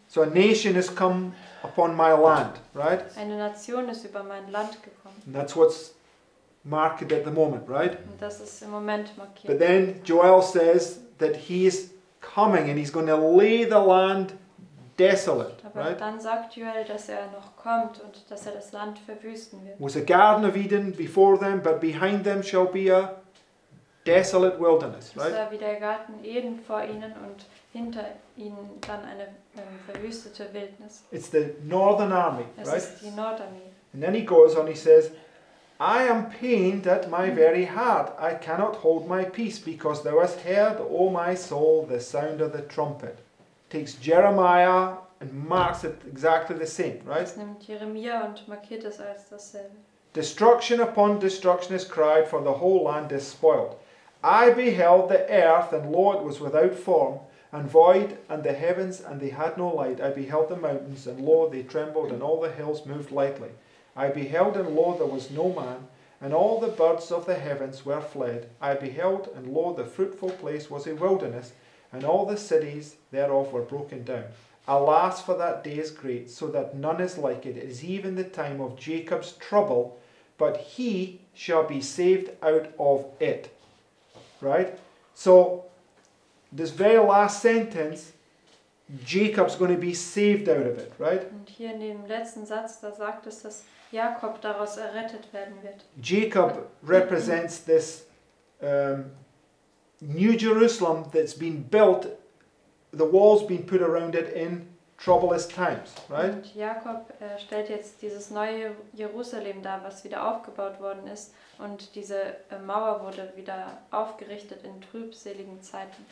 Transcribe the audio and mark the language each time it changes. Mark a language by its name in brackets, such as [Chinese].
[English] So a nation has come upon my land, right? [German] Eine Nation ist über mein Land gekommen. [English] And that's what's marked at the moment, right? [German] Und das ist im Moment markiert. [English] But then Joel says that he is coming and he's going to lay the land desolate. [German] Aber [English] right? [German] Dann sagt Joel, dass er noch kommt und dass er das Land verwüsten wird. [English] Was a garden of Eden before them, but behind them shall be a desolate wilderness, right? [German] Es war wie der Garten Eden vor ihnen und hinter ihnen dann eine verwüstete Wildnis. [English] It's the northern army, right? [German] Es ist die Nordarmee. [English] And then he goes on, he says, I am pained at my very heart. I cannot hold my peace, because thou hast heard, O my soul, the sound of the trumpet. Takes Jeremiah and marks it exactly the same, right? [German] Es nimmt Jeremia und markiert es als dasselbe. [English] Destruction upon destruction is cried, for the whole land is spoiled. I beheld the earth, and lo, it was without form, and void, and the heavens, and they had no light. I beheld the mountains, and lo, they trembled, and all the hills moved lightly. I beheld, and lo, there was no man, and all the birds of the heavens were fled. I beheld, and lo, the fruitful place was a wilderness, and all the cities thereof were broken down. Alas, for that day is great, so that none is like it. It is even the time of Jacob's trouble, but he shall be saved out of it. Right? So, this very last sentence, Jacob's going to be saved out of it, right? [German] Und hier in dem letzten Satz, da sagt es, dass Jakob daraus errettet werden wird. [English] Jacob represents this New Jerusalem that's been built, the walls been put around it in troublous times, right? [German] Und Jakob stellt jetzt dieses neue Jerusalem dar, was wieder aufgebaut worden ist, und diese Mauer wurde wieder aufgerichtet in trübseligen Zeiten.